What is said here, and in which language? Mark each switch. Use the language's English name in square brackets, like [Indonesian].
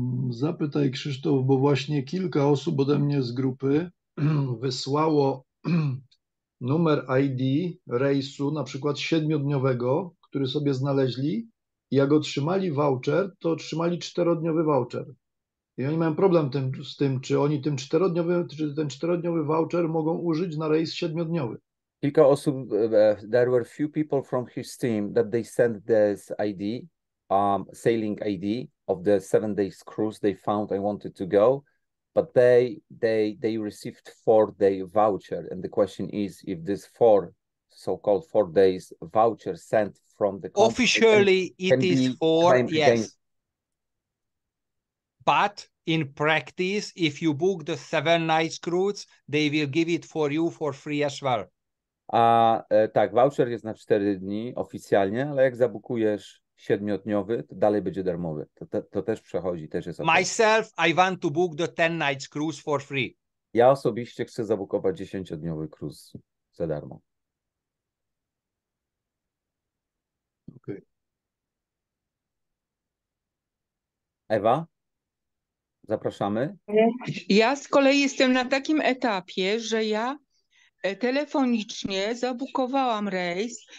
[Polish] Zapytaj Krzysztof, bo właśnie kilka osób ode mnie z grupy wysłało numer ID rejsu, na przykład 7-dniowego, który sobie znaleźli. Jak otrzymali voucher, to otrzymali 4-dniowy voucher. I oni mają problem z tym, czy oni tym 4-dniowy, czy ten 4-dniowy voucher mogą użyć na rejs 7-dniowy. Kilka osób, [English] there were few people from his team that they sent this ID, sailing ID of the 7 days cruise they found I wanted to go, but they received 4-day voucher. And the question is if this 4 so-called 4 days voucher sent from the company, officially can it is be 4, yes. Again. But in practice, if you book the 7 nights cruise, they will give it for you for free as well. [Polish] Tak, voucher jest na 4 dni oficjalnie, ale jak zabukujesz 7-dniowy, to dalej będzie darmowy. To też przechodzi, też jest. [English] Myself, I want to book the 10 nights cruise for free. [Polish] Ja osobiście chcę zabukować 10-dniowy cruise za darmo. [English] Okay. [Polish] Ewa? Zapraszamy. Ja z kolei jestem na takim etapie, że ja telefonicznie zabukowałam rejs.